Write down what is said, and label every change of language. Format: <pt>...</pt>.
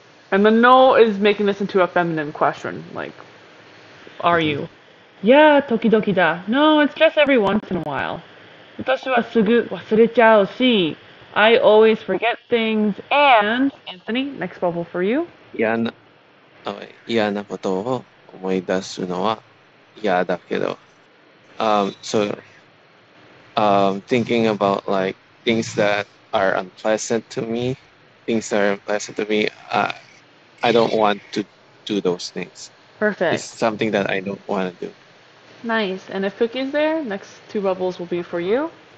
<en>And the no is making this into a feminine question, like, are you? Yeah,</en> <ja>tokidoki da.</ja> <en>No, it's just every once in a while.</en> <ja>私はすぐ忘れちゃうし,</ja> <en>I always forget things, and Anthony, next bubble for you. Yeah, no.</en> <ja>嫌なことを思い出すのは嫌だけど。</ja> <en>Thinking about like things that are unpleasant to me, things that are unpleasant to me, I don't want to do those things. Perfect. It's something that I don't want to do. Nice. And if Cookie's there, next two bubbles will be for you.</en>